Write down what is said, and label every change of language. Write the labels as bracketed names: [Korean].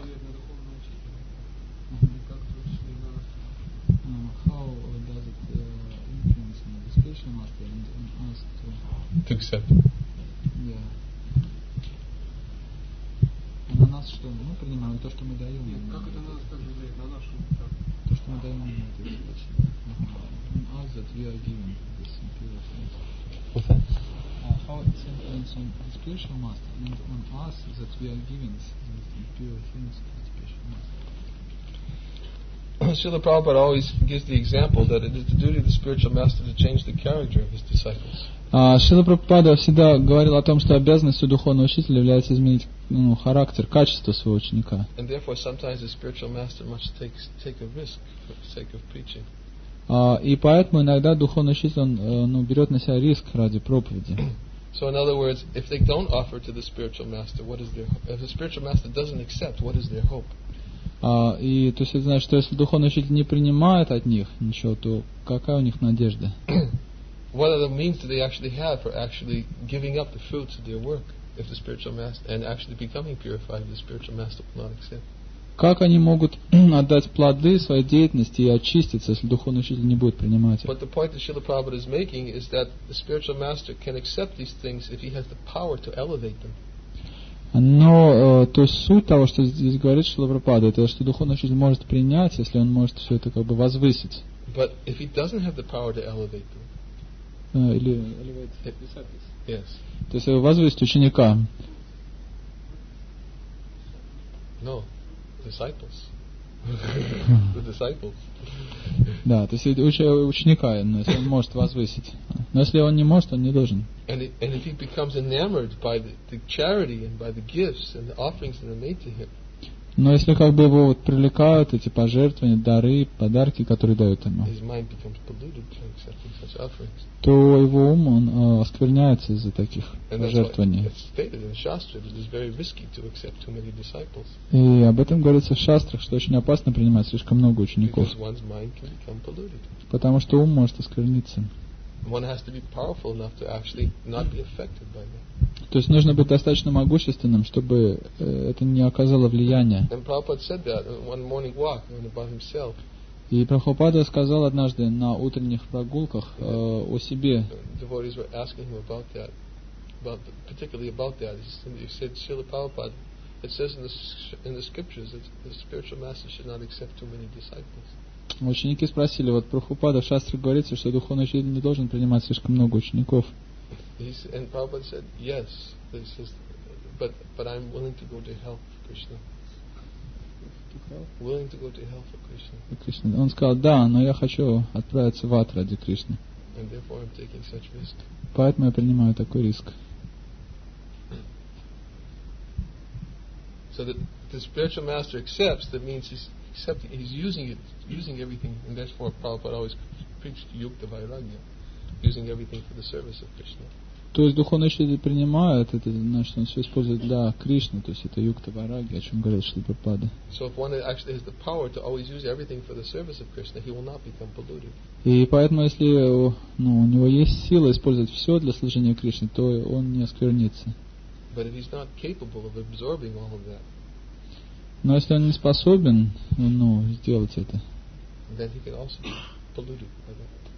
[English] How does it influence the discussion after and us to accept? [Russian] Yeah. На нас что? Мы принимаем то, что мы даем. Как это на нас так влияет? На нашу? То, что мы даем, мы это вообще. [English] As that we are given this imperial things. How it influences on the spiritual master and on us that we are given this imperial things to the spiritual master. Srila Prabhupada always gives the example that it is the duty of the spiritual master to change the character of his disciples. [Russian] Шрила Прабхупада всегда говорил о том, что обязанностью духовного учителя является изменить характер, качество своего ученика. [English] And therefore sometimes the spiritual master must take a risk for the sake of preaching. [Russian] И поэтому иногда духовный учитель берет на себя риск ради проповеди. [English] So in other words, if they don't offer to the spiritual master, what is their hope? If the spiritual master doesn't accept, what is their hope? [Russian] И то есть это значит, что если духовный учитель не принимает от них ничего, то какая у них надежда? [English] What other means do they actually have for actually giving up the fruits of their work if the spiritual master and actually becoming purified if the spiritual master will not accept? [Russian] Как они могут отдать плоды своей деятельности и очиститься, если духовный учитель не будет принимать? [English] But the point that Srila Prabhupada is making is that the spiritual master can accept these things if he has the power to elevate them. [Russian] Но то есть суть того, что здесь говорит Шрила Прабхупада, это что духовный учитель может принять, если он может все это как бы возвысить. [English] But if he doesn't have the power to elevate them. [Russian] Или [English] yes. [Russian] То есть возвысить ученика. [English] No. Disciples. The disciples. [Russian] Да, то есть ученика, но если он может возвысить. Но если он не может, он не должен. [English] And if he becomes enamored by the charity and by the gifts and the offerings that are made to him. [Russian] Но если как бы его привлекают эти пожертвования, дары, подарки, которые дают ему, [English] his mind becomes polluted by accepting such offerings. [Russian] То его ум он оскверняется из-за таких пожертвований. [English] And that's why it's stated in Shastra that it's very risky to accept too many disciples. [Russian] И об этом говорится в шастрах, что очень опасно принимать слишком много учеников. [English] Because one's mind can become polluted. [Russian] Потому что ум может оскверниться. [English] One has to be powerful enough to actually not be affected by that. [Russian] То есть нужно быть достаточно могущественным, чтобы это не оказало влияния. [English] And Prabhupada said that on one morning walk by himself. [Russian] И Прабхупада сказал однажды на утренних прогулках о себе. [English] Devotees were asking him about that, particularly about that. He said, Srila Prabhupada, it says in the scriptures that the spiritual master should not accept too many disciples. [Russian] Ученики спросили, вот Прабхупада в шастре говорится, что духовный учитель не должен принимать слишком много учеников. [English] And Prabhupada said, yes, this is, but I'm willing to go to hell for Krishna. Willing to go to hell for Krishna. [Russian] Он сказал, да, но я хочу отправиться в ад ради Кришны. [English] And therefore I'm taking such risk. [Russian] Поэтому я принимаю такой риск. [English] So the spiritual master accepts, that means he's accepting, he's using it, using everything, and that's why Prabhupada always preached Yukta Vairagya, using everything for the service of Krishna. [Russian] То есть духовный учитель принимает, это значит, он все использует для Кришны, то есть это Юкта Вараги, о чем говорил Шрила Прабхупада. [English] So if one actually has the power to always use everything for the service of Krishna, he will not become polluted. [Russian] И поэтому, если у него есть сила использовать все для служения Кришне, то он не осквернится. [English] But if he's not capable of absorbing all of that. [Russian] Но если он не способен сделать это, [English] then he can also be polluted by that.